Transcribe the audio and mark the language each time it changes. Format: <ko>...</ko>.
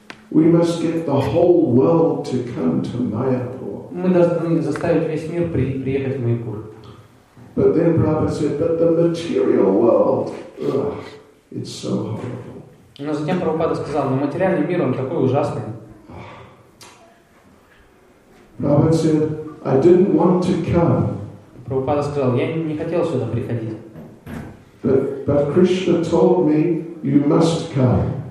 <en>We must get the whole world to come to Mayapur.</en> <ru>Мы должны заставить весь мир приехать в Майпур.</ru> <en>But then Prabhupada said, but the material world, it's so horrible.</en> <ru>Но затем Прабхупада сказал, но материальный мир, он такой ужасный.</ru> <en>Prabhupada said, I didn't want to come.</en> <ru>Прабхупада сказал, я не хотел сюда приходить.</ru> <en>But Krishna told me, you must come.</en>